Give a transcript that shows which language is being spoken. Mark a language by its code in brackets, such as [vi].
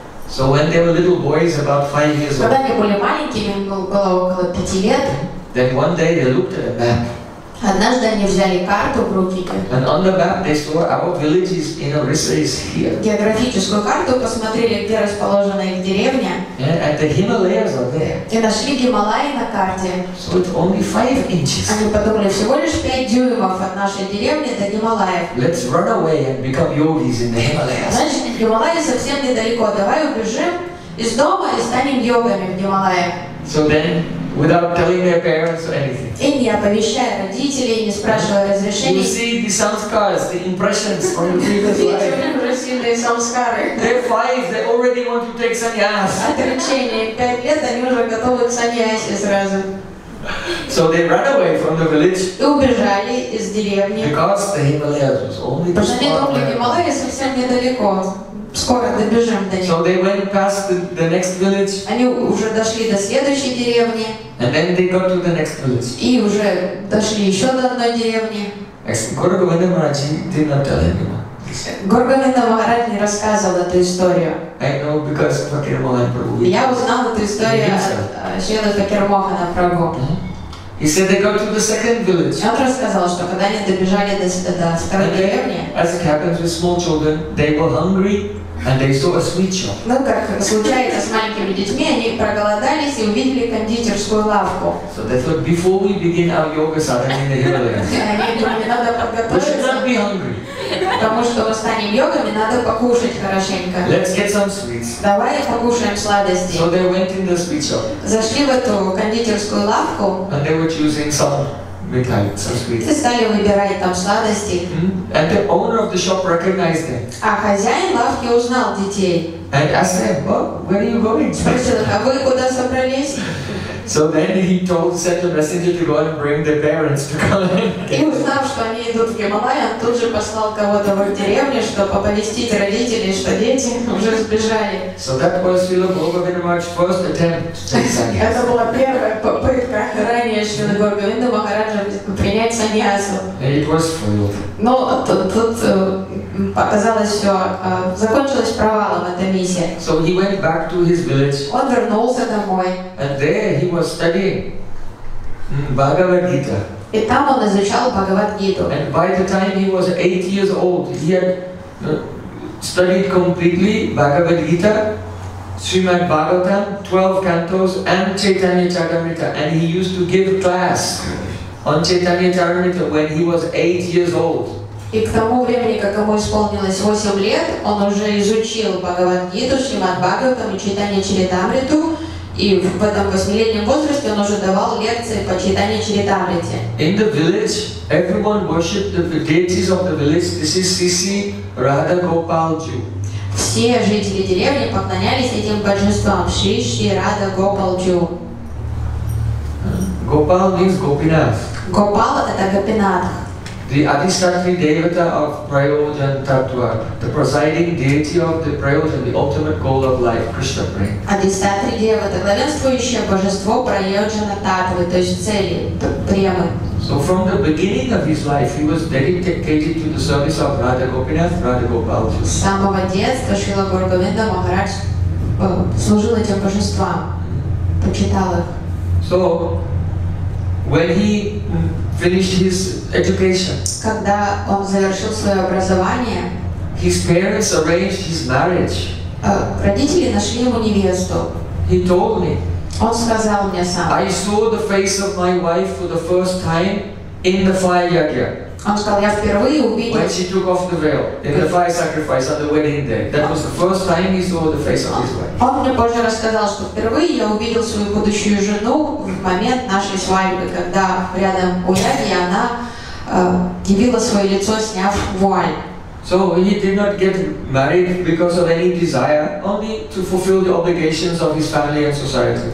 [en] So when they were little boys, about 5 years old. [ru] Когда они были маленькими, было около 5 лет. [en] Then one day they looked at a map. [ru] Однажды они взяли карту в руки. [en] And on the map they saw our village is in Orissa is here. [ru] Географическую карту посмотрели, где расположена их деревня. [en] Yeah, and the Himalayas are there. [ru] И нашли Гималаи на карте. [en] So it's only 5 inches. [ru] Они подумали, всего лишь 5 дюймов от нашей деревни до Гималаев. [en] Let's run away and become yogis in the Himalayas. [ru] Значит, Гималаи совсем недалеко. Давай убежим из дома и станем йогами в Гималаях. [en] So then, without telling their parents or anything. [ru] И не оповещая родителей, не спрашивая разрешения. [en] You see the samskaras, the impressions from the previous life. [ru] Красивые самскары. [en] They're 5, they already want to take sannyas. [ru] Отречение. 5 лет, они уже готовы к саньясе сразу. [en] So they ran away from the village. [ru] И убежали из деревни. [en] Because the Himalayas was only this far. [ru] Потому что Гималаи совсем недалеко. Скоро добежим до них. [en] So they went past the next village. [ru] Они уже дошли до следующей деревни. [en] And then they got to the next village. [ru] И уже дошли еще до одной деревни. [en] Гуру Говинда Махараджи did not tell anyone. [ru] Гуру Говинда Махарадж не рассказывал эту историю. [en] I know because Fakir Mohan Prabhu. [ru] Я узнал эту историю от Шрилы Fakir Mohan Prabhu. [en] He said they got to the second village. [ru] Он рассказал, что когда они добежали до второй деревни. [en] As it happens with small children, they were hungry and they saw a sweet shop. [ru] Ну как случается с маленькими детьми, они проголодались и увидели кондитерскую лавку. [en] So they thought before we begin our yoga sadhana in the Himalayas. [ru] Они думали, надо подготовиться. [en] We should not be hungry. [ru] Потому что мы станем йогами, надо покушать хорошенько. [en] Let's get some sweets. [ru] Давай покушаем сладости. [en] So they went in the sweet shop. [ru] Зашли в эту кондитерскую лавку. [en] And they were choosing some mithai, some sweets. [ru] И стали выбирать там сладости. [en] And the owner of the shop recognized them. [ru] А хозяин лавки узнал детей. [en] And asked them, well, where are you going? [ru] Спросил, а вы куда собрались? [en] So then he told, sent a messenger to go and bring their parents to come [ru] in. И узнав, что они идут в Гималаи, он тут же послал кого-то в деревню, чтобы оповестить родителей, что дети уже сбежали. [en] So that was Srila Govinda Maharaj's first attempt to take sannyas. [ru] Это была первая попытка ранее Srila Govinda Maharaja принять саньясу. [en] And it was failed. [ru] Но тут показалось все, закончилось провалом эта миссия. [en] So he went back to his village. [ru] Он вернулся домой. [en] And there he was studying Bhagavad Gita. [ru] И там он изучал Бхагавад Гиту. [en] And by the time he was 8 years old, he had studied completely Bhagavad Gita, Srimad Bhagavatam, 12 cantos, and Chaitanya Charitamrita. And he used to give class on Chaitanya Charitamrita when he was 8 years old. [ru] И к тому времени, как ему исполнилось 8 лет, он уже изучил Бхагавад-гиту, Шримад Бхагаватам и Чайтанья Чаритамриту. И в этом 8-летнем возрасте он уже давал лекции по Чайтанья Чаритамрите. [en] In the village, everyone worshipped the deities of the village. This is Сиси Радха Гопалджу. [ru] Все жители деревни поклонялись этим божествам Шри Шри Радха Гопалджу. [en] Гопал means Гопинат. [ru] Гопал – это Гопинат. [en] The Adhisattva Devata of Prayojan Tattva, the presiding deity of the Prayojan, the ultimate goal of life, Krishna Prem. [ru] Adhisattva Devata, главенствующее божество Prayojana Tattva, то есть цели, Prema. [en] So from the beginning of his life, he was dedicated to the service of Radha Gopinath, Radha Gopalji. [ru] С самого детства Шрила Гуру Говинда Махарадж служил этим божествам, почитал их. [en] So, when he finished his education, [ru] когда он завершил свое образование, [en] his parents arranged his marriage. [ru] Родители нашли ему невесту. [en] He told me. [ru] Он сказал мне сам. [en] I saw the face of my wife for the first time in the fire yagya. [ru] Он сказал, я впервые увидел. [en] When she took off the veil in the fire sacrifice on the wedding day, that was the first time he saw the face of his wife. [ru] Он мне позже рассказал, что впервые я увидел свою будущую жену в момент нашей свадьбы, когда рядом у яги она явила свое лицо, сняв вуаль. [en] So he did not get married because of any desire, only to fulfill the obligations of his family and society.